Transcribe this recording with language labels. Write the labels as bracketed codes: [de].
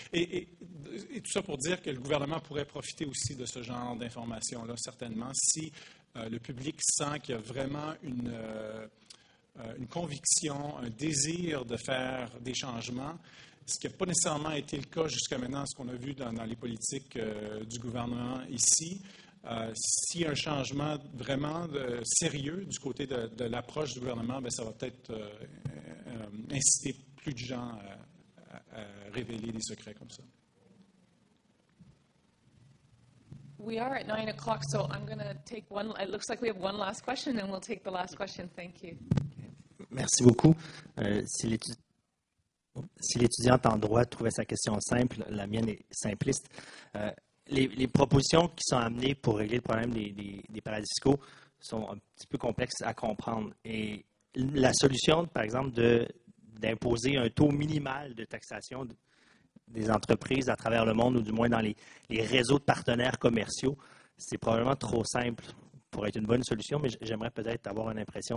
[fr] Et tout ça pour dire que le gouvernement pourrait profiter aussi de ce genre d'informations-là, certainement, si le public sent qu'il y a vraiment une conviction, un désir de faire des changements, ce qui n'a pas nécessairement été le cas jusqu'à maintenant, ce qu'on a vu dans les politiques du gouvernement ici. Si un changement vraiment sérieux du côté de l'approche du gouvernement, bien, ça va peut-être inciter plus de gens à révéler des secrets comme ça. [en] We are at 9 o'clock, so I'm going to take one. It looks like we have one last question, and we'll take the last question. Thank you. [fr] Merci beaucoup. Si l'étudiante en droit trouvait sa question simple, la mienne est simpliste. Les propositions qui sont amenées pour régler le problème des paradis fiscaux sont un petit peu complexes à comprendre. Et la solution, par exemple, d'imposer un taux minimal de taxation des entreprises à travers le monde ou du moins dans les réseaux de partenaires commerciaux, c'est probablement trop simple pour être une bonne solution, mais j'aimerais peut-être avoir une impression.